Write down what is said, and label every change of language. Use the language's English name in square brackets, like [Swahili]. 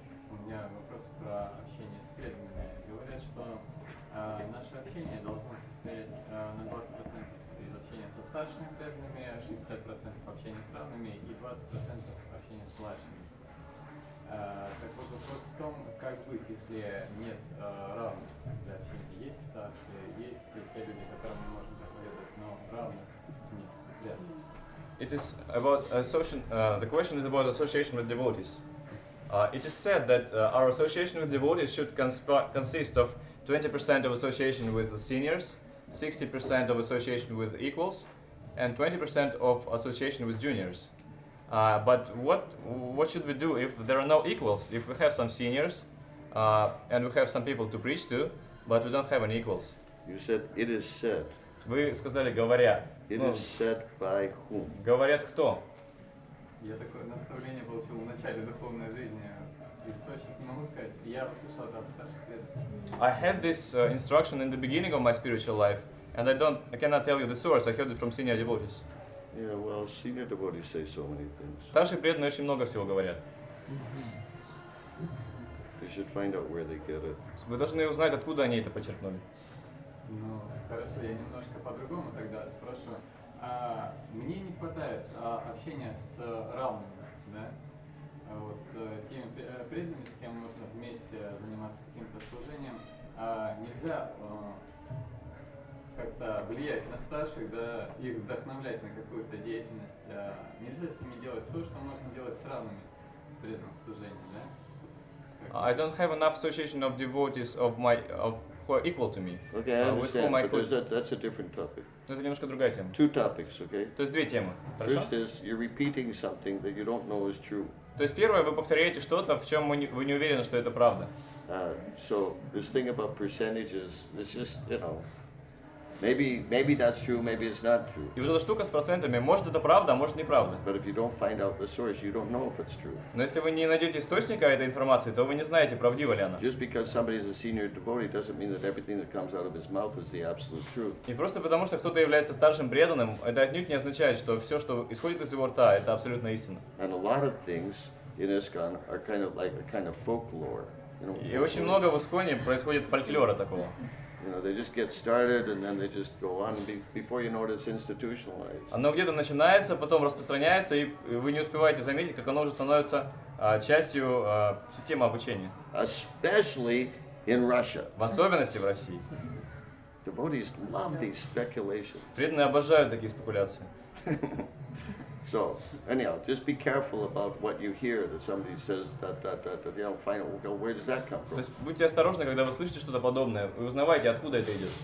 [Russian] У меня вопрос про общение с преданными. Говорят, что наше общение должно состоять на 20% из общения со старшими преданными, 60% общения с равными и 20% общения с младшими. Так вот вопрос в том, как быть, если нет равных для общения. Есть старшие, есть те люди, которым мы можем заповедовать, но равных нет. [English] It is about the question is about association with devotees. It is said that our association with devotees should consist of 20% of association with seniors, 60% of association with equals, and 20% of association with juniors. But what should we do if there are no equals? If we have some seniors, and we have some people to preach to, but we don't have any equals? You said, it is said. [Russian] Вы сказали, говорят. [English] It is said by whom? [Russian] Говорят кто? Я такое наставление получил в начале духовной жизни. Источник не могу сказать. Я услышал это от старших преданных. [English] I had this instruction in the beginning of my spiritual life, and I cannot tell you the source. I heard it from senior devotees. Yeah, well, senior devotees say so many things. [Russian] Старшие преданные очень много всего говорят. [English] You should find out where they get it. [Russian] Вы должны узнать, откуда они это почерпнули. Ну, хорошо, я немножко по-другому тогда спрошу. Мне не хватает общения с равными, да? Вот теми преданными, с кем можно вместе заниматься каким-то служением. Нельзя как-то влиять на старших, да, их вдохновлять на какую-то деятельность. Нельзя с ними делать то, что можно делать с равными при этом служении, да? [English] I don't have enough association of devotees who are equal to me. Okay, I understand, that's a different topic. [Russian] Это немножко другая тема. [English] Two topics, okay? [Russian] То есть две темы. [English] First is you're repeating something that you don't know is true. [Russian] То есть первое, вы повторяете что-то, в чем вы не уверены, что это правда. [English] So this thing about percentages, it's just, you know, maybe that's true, maybe it's not true. [Ukrainian] І вона штука з процентами, може це правда, може неправда. [English] But if you don't find out the source, you don't know if it's true. [Russian] Но если вы не найдете источника этой информации, то вы не знаете, правдива ли она. [English] Just because somebody is a senior devotee doesn't mean that everything that comes out of his mouth is the absolute truth. [Russian] И просто потому, что кто-то является старшим преданным, это отнюдь не означает, что все, что исходит из его рта, это абсолютная истина. [English] And a lot of things in ISKCON are kind of like a kind of folklore. [Russian] И очень много в Исконе происходит фольклора такого. [English] You know, they just get started and then they just go on before you notice institutionalized. [Russian] Оно где-то начинается, потом распространяется, и вы не успеваете заметить, как оно уже становится частью системы обучения. [English] Especially in Russia. [Russian] В особенности в России. [English] Devotees love these speculations. [Russian] Преданные обожают такие спекуляции. [English] So, anyhow, just be careful about what you hear, that somebody says that, you know, fine, well, where does that come from? [Russian] То есть будьте осторожны, когда вы слышите что-то подобное, вы узнавайте, откуда это идет.